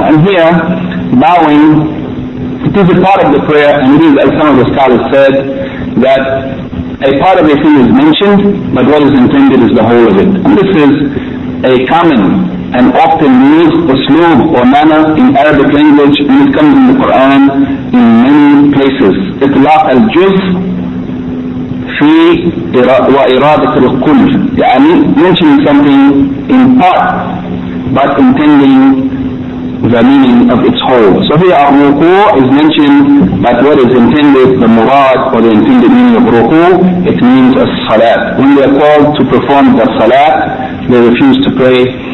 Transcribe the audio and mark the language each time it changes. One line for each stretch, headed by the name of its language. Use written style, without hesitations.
English: And here, bowing, it is a part of the prayer, and it is, as some of the scholars said, that a part of a thing is mentioned, but what is intended is the whole of it. And this is a common and often used usloob or manner in Arabic language, and it comes in the Quran in many places.
Arabic: إطلاق الجزء في وإرادة الكل.
English: يعني mentioning something in part, but intending the meaning of its whole. So here ruku is mentioned, but what is intended, the murad or the intended meaning of ruku, it means a salat. When they are called to perform the salat, they refuse to pray.